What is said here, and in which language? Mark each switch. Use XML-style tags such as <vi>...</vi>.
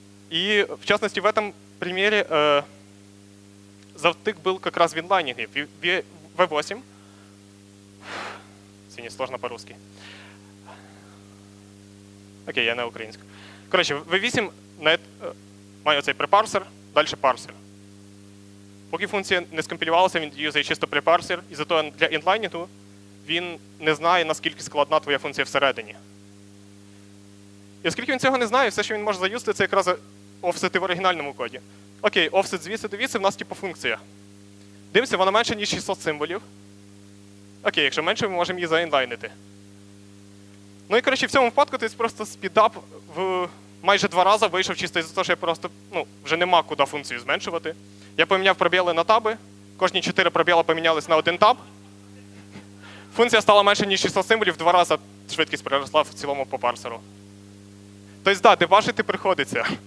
<ru>И в частности, в этом примере затык был как раз в инлайнинге, в V8. Извини, сложно по-русски. Окей, я на украинском. Короче, вы видим, мое цей препарсер, дальше парсер.</ru> <uk>Поки функція не скомпілювалася, він юзає чисто препарсер, і зато для інлайнінгу він не знає, наскільки складна твоя функція всередині. І оскільки він цього не знає, все, що він може заюзати, це якраз офсети в оригінальному коді. Окей, офсет звідси до віси, в нас типу функція. Дивимося, вона менше, ніж 600 символів. Окей, якщо менше, ми можемо її заінлайнити. Ну і, коротше, в цьому випадку ти просто спідап в майже два рази вийшов чисто із-за того, що я просто, ну, вже нема куди функцію зменшувати. Я поміняв пробіли на таби, кожні 4 пробіли помінялись на один таб. Функція стала менше, ніж 600 символів, два рази швидкість переросла в цілому по парсеру. Тобто, да, дебажити приходиться.</uk>